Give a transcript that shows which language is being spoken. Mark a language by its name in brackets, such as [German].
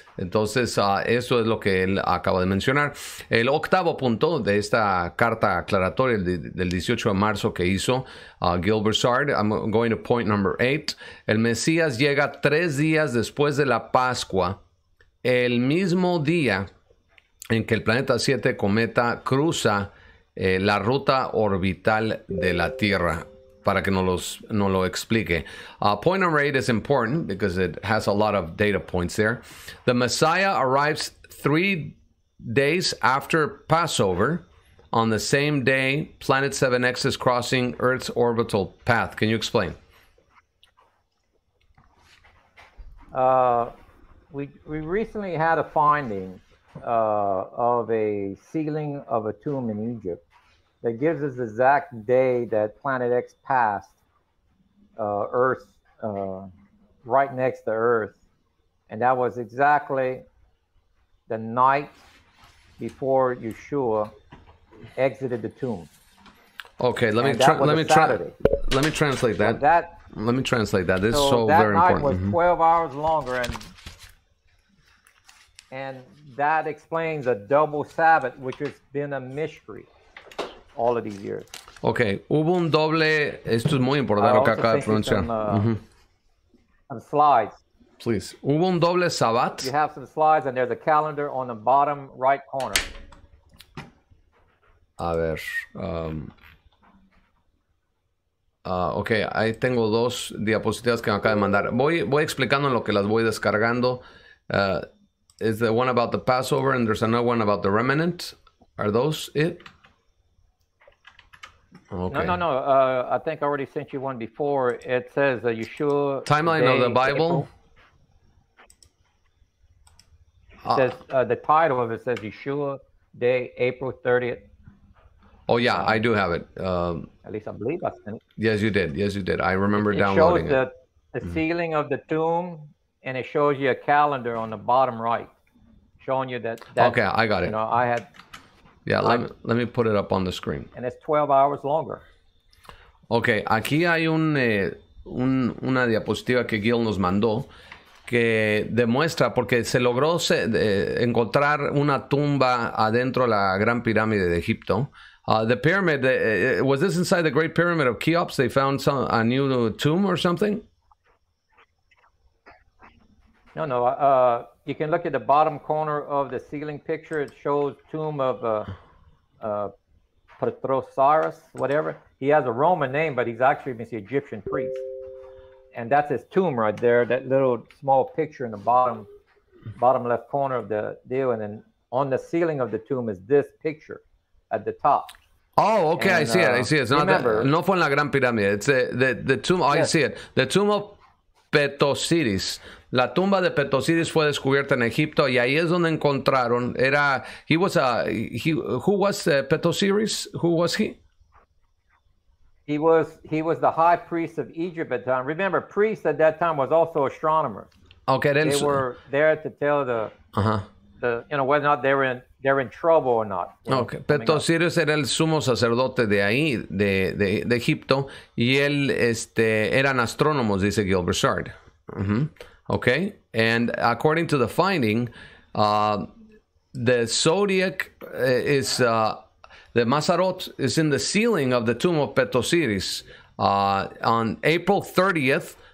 [Spanish] Entonces, eso es lo que él acaba de mencionar. El octavo punto de esta carta aclaratoria del 18 de marzo que hizo Gil Broussard, [English] I'm going to point number 8, [Spanish] el Mesías llega 3 días después de la Pascua, el mismo día en que el planeta 7 cometa cruza la ruta orbital de la Tierra, para que nos lo explique. [English] Point number 8 is important because it has a lot of data points there. The Messiah arrives 3 days after Passover on the same day Planet 7X is crossing Earth's orbital path. Can you explain? We recently had a finding of a ceiling of a tomb in Egypt that gives us the exact day that Planet X passed Earth, right next to Earth. And that was exactly the night before Yeshua exited the tomb. Okay, let me translate that. This is so very important. That night was 12 hours longer, and that explains a double Sabbath, which has been a mystery all of these years. [Spanish] Okay, hubo un doble, esto es muy importante lo que acaba de pronunciar. [English] Some slides. [Spanish] Please. Hubo un doble sabbat. [English] You have some slides and there's a calendar on the bottom right corner. [Spanish] A ver. Okay, ahí tengo dos diapositivas que me acaba de mandar. Voy explicando en lo que las voy descargando. [English] Is the one about the Passover and there's another one about the remnant. Are those it? Okay. No. I think I already sent you one before. It says that Yeshua... Timeline day, of the Bible? It says the title of it says Yeshua Day, April 30th. Oh, yeah, I do have it. At least I believe I sent it. Yes, you did. I remember downloading it. It shows the ceiling of the tomb, and it shows you a calendar on the bottom right, showing you that okay, I got it. You know, I had... Yeah, let me put it up on the screen. And it's 12 hours longer. [Spanish] Okay, aquí hay una diapositiva que Gil nos mandó que demuestra, porque se logró encontrar una tumba adentro de la Gran Pirámide de Egipto. [English] The pyramid, was this inside the Great Pyramid of Cheops? They found a new tomb or something? No. You can look at the bottom corner of the ceiling picture. It shows tomb of... Petrosaurus, whatever. He has a Roman name, but he's actually the Egyptian priest. And that's his tomb right there, that little small picture in the bottom left corner of the deal. And then on the ceiling of the tomb is this picture at the top. Oh, okay. And, I see it. It's not remember, that. [Spanish] No fue en la Gran Pirámide. [English] It's the tomb. Oh, yes. I see it. The tomb of Petosiris. [Spanish] La tumba de Petosiris fue descubierta en Egipto y ahí es donde encontraron. [English] Era. He was a. Who was Petosiris? Who was he? He was the high priest of Egypt at the time. Remember, priests at that time was also astronomers. Okay, then. They were there to tell the. You know, whether or not they're in trouble or not. Okay. [Spanish] Petosiris era el sumo sacerdote de ahí, de Egipto, y él eran astrónomos, dice Gil Broussard. [English] Okay, and according to the finding, the zodiac is the Masarot is in the ceiling of the tomb of Petosiris on April 30th,